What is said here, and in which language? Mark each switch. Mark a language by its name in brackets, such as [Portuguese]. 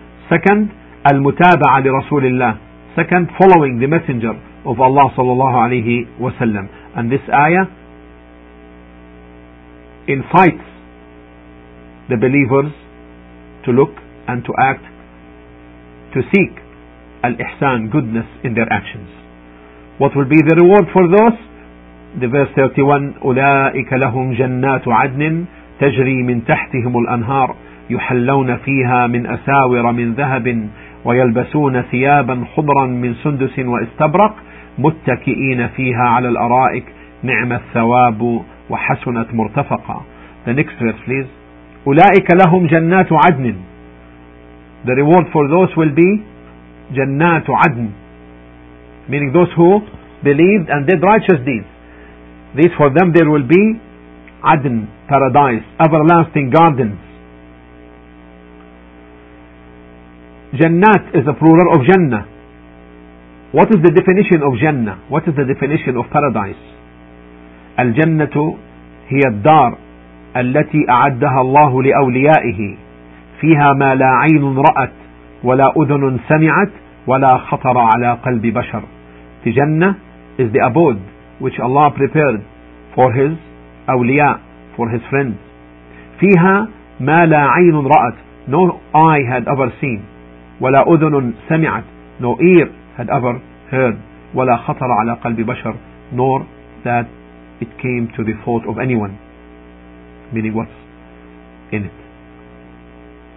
[English] Second, al-mutaba'a li Rasulillah. Second, following the messenger of Allah sallallahu alayhi wa sallam. And this ayah incites the believers to look and to act, to seek al-ihsan, goodness in their actions. What will be the reward for those? The verse 31, [Arabic] أُولَٰئِكَ لَهُمْ جَنَّاتُ عَدْنٍ تجري من تحتهم الأنهار يحلون فيها من أساور من ذهب ويلبسون ثيابا خضرا من سندس وإستبرق متكئين فيها على الأرائك نعم الثواب وحسنت مرتفقا. [English] The next verse please. [Arabic] أولئك لهم جنات عدن. [English] The reward for those will be جنات عدن, meaning those who believed and did righteous deeds. These for them there will be عدن, paradise, everlasting gardens. جنات is a plural of جنة. What is the definition of جنة? What is the definition of paradise? [Arabic] الجنة هي الدار التي أعدها الله لأوليائه فيها ما لا عين رأت ولا أذن سمعت ولا خطر على قلب بشر. [English] The جنة is the abode which Allah prepared for his أولياء, for his friends. [Arabic] فيها ما لا عين رأت, [English] no eye had ever seen, [Arabic] ولا أذن سمعت, [English] no ear had ever heard, [Arabic] ولا خطر على قلب بشر, [English] nor that it came to the thought of anyone, meaning what's in it.